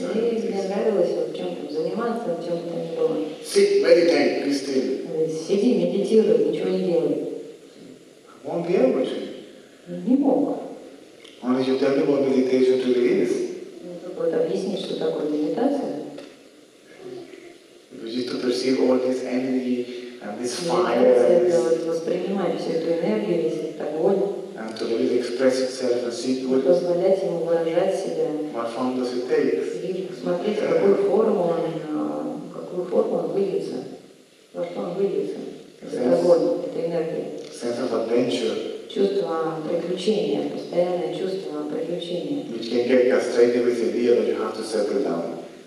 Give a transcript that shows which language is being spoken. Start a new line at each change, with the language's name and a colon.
Russian: Мне нравилось вот чем-то заниматься, чем-то не было.
English: Sit, meditate, be still.
Russian: Сиди, медитируй, ничего не делай.
English: I won't be able to.
Russian: Не мог.
English: Only you tell me what meditation truly is.
Russian: Вот объясни, что такое медитация.
English: Just to perceive all this energy and this fire.
Russian: Воспринимать всю эту энергию, весь этот огонь.
English: And to really express itself and see what.
Russian: Позволять ему выражать себя.
English: What form does it take?
Russian: Смотреть, какую форму он выльется. Во что он выльется. Это огонь, это энергия.
English: Sense of adventure.
Russian: Чувство приключения, постоянное чувство приключения.
English: Which can get castrated with the idea that you have to settle down.